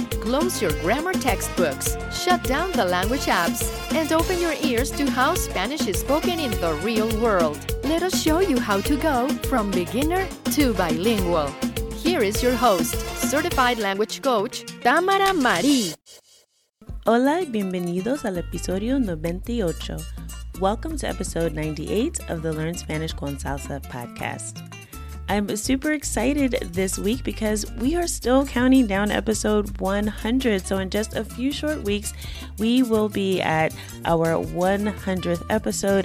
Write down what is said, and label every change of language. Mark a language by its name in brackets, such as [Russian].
[English] Close your grammar textbooks, shut down the language apps, and open your ears to how Spanish is spoken in the real world. Let us show you how to go from beginner to bilingual. Here is your host, certified language coach, Tamara Marie. [Spanish] Hola y bienvenidos al episodio 98. [English] Welcome to episode 98 of the Learn Spanish con Salsa podcast. I'm super excited this week because we are still counting down episode 100. So in just a few short weeks, we will be at our 100th episode.